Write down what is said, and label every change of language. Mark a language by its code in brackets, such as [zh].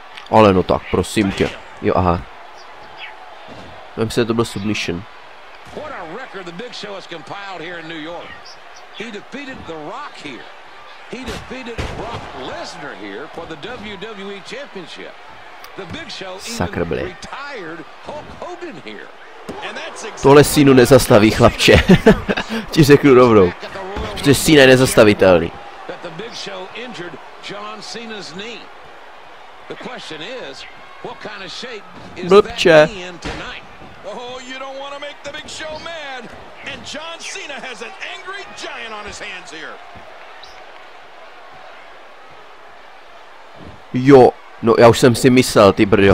[cs] Ale no tak, prosím tě. Jo, aha. Vem si, že to byl submission. [en] What a record the Big Show has compiled here in New York. He defeated The Rock here. He defeated Brock Lesnar here for the WWE Championship. The Big Show even retired Hulk Hogan here. And that's exactly. [cs] Tohle Cenu nezastaví, chlapče. Ti řeknu rovnou. Protože Cena je nezastavitelný. [en] That the Big Show injured John Cena's knee. The question is, what kind of shape is [cs] Blbče. [en] That knee in tonight? Oh, you don't want to make the Big Show mad. And John Cena has an angry giant on his hands here. [cs] Jo, no já už jsem si myslel, ty brďo.